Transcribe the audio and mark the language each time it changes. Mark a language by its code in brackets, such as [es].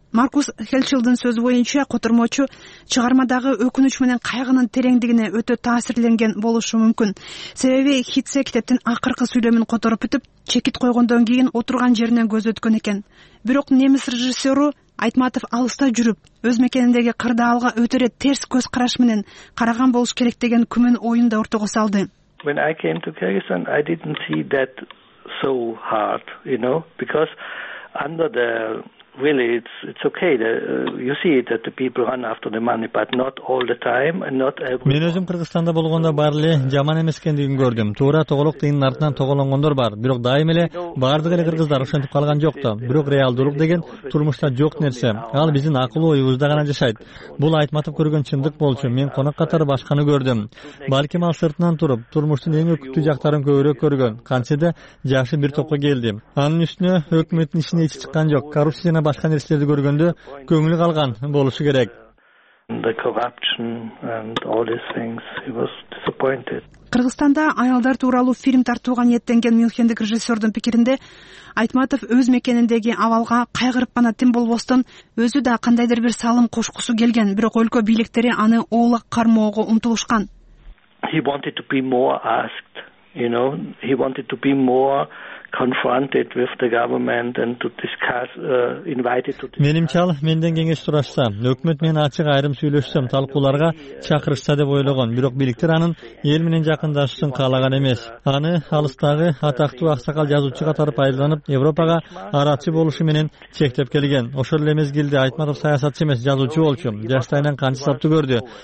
[ky] Маркус Хелчилдин сөзү боюнча котормочу чыгармадагы өкүнүч менен кайгынын тереңдигине өтө таасирленген болушу мүмкүн. Себеби Хитце китептин акыркы сүйлөмүн которуп бүтүп, чекит койгондон кийин отурган жеринен көз өткөн экен. Бирок немис режиссеру Айтматов алыста жүрүп, өз мекениндеги кырдаалга өтө эле терс көз караш менен караган болуш керек деген күмөн оюн да ортого салды. [en] When I came to Kyrgyzstan, I didn't see that so hard, you know, because under the really it's okay that you see that the people run after the money, but not all the time and not every. [ky] Мен өзүм Кыргызстанда болгондо баары эле жаман эмес экендигин көрдүм. Туура тоголок тыйынын артынан тоголонгондор бар, бирок дайым эле баардык эле кыргыздар ошентип калган жок да. Бирок реалдуулук деген турмушта жок нерсе, ал биздин акыл оюбузда гана жашайт. Бул Айтматов көргөн чындык болчу. Мен конок катары башканы көрдүм. Балким ал сыртынан туруп турмуштун эң өкүттүү жактарын көбүрөөк көргөн, кантсе да жакшы бир топко келди. Анын үстүнө өкмөттүн ичине ичи чыккан жок, коррупция башка нерселерди көргөндө көңүлү калган болушу керек. Кыргызстанда аялдар тууралуу фильм тартууга ниеттенген мюнхендик режиссердун пикиринде Айтматов өз мекениндеги абалга кайгырып гана тим болбостон өзү да кандайдыр бир салым кошкусу келген, бирок өлкө бийликтери аны оолак кармоого умтулушкан. [en] He wanted to be more asked, you know, he wanted to be more confronted with the government and to discuss invited to. [ky] Менимче ал менден кеңеш сурашса, өкмөт менен ачык айрым сүйлөшсөм, талкууларга чакырышса деп ойлогон, бирок бийликтер анын эл менен жакындашуусун каалаган эмес. Аны алыстагы атактуу аксакал жазуучу катары пайдаланып, Европага аратчы болушу менен чектеп келген. Ошол эле мезгилде Айтматов саясатчы эмес, жазуучу болчу. Жаштайынан канчы сапты көрдү.